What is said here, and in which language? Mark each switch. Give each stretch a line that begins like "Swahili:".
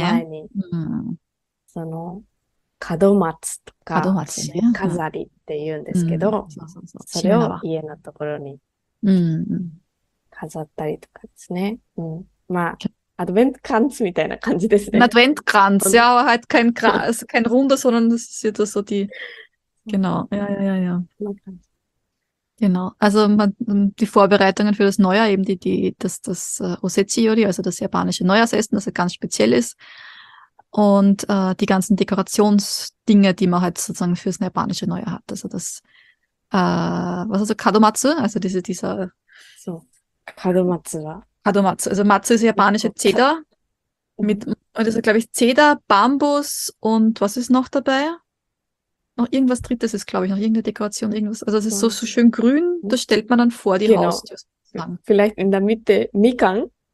Japanese: 家の前に。その、門松とか、門松ね、飾りって言うんですけど、それを家のところに飾ったりとかですね。まあ、アドベントクランツみたいな感じですね。アドベントクランツ。
German: Ja, aber halt kein Kranz, kein Runde, sondern das ist jetzt so die, genau, ja. Genau, also die Vorbereitungen für das Neujahr, eben das Osechi-Yori, also das japanische Neujahrsessen, das halt ganz speziell ist. Und die ganzen Dekorationsdinge, die man halt sozusagen fürs japanische Neujahr hat. Also das, was also Kadomatsu, also dieser... So, Kadomatsu, ja. Kadomatsu, also Matsu ist japanische Zeder. Und das ist, glaube ich, Zeder, Bambus und was ist noch dabei? Noch irgendwas Drittes ist, glaube ich, noch irgendeine Dekoration, irgendwas. Also es ist so schön grün, das stellt man dann vor die Haustür. Vielleicht in der Mitte Mikan?